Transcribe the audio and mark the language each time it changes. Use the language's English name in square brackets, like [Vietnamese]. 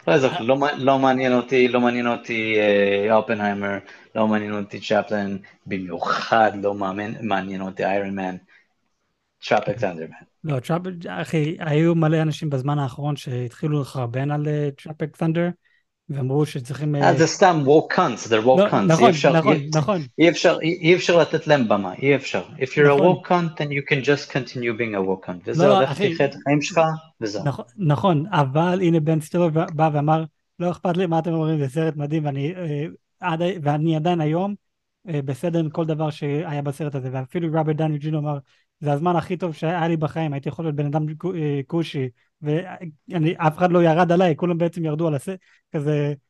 [Hebrew] לא יעזור כלום, לא מעניין אותי, לא מעניין אותי אופנהיימר, לא מעניין אותי צ'פלן, במיוחד לא מעניין אותי איירון מן, Tropic Thunder, man. לא, אחי, היו מלא אנשים בזמן האחרון שהתחילו לחרבן על Tropic Thunder, ואמרו שצריכים... זה סתם [English] woke cunts, they're woke cunts. [Hebrew] נכון. אי אפשר לתת להם במה, אי אפשר. [English] If you're a woke cunt, then you can just continue being a woke cunt. [Hebrew] וזה הולך תיחד חיים שלך, וזהו. נכון, אבל הנה בן סטילר בא ואמר, לא אכפת לי מה אתם אומרים, זה סרט מדהים, ואני עדיין היום בסדר עם כל דבר שהיה בסרט הזה, ואפילו רוברט דאוני ג'וניור אמר, זה הזמן הכי טוב שהיה לי בחיים, הייתי יכול להיות בן אדם כושי, ואף אחד לא ירד עליי, כולם בעצם ירדו על הסרט, כזה...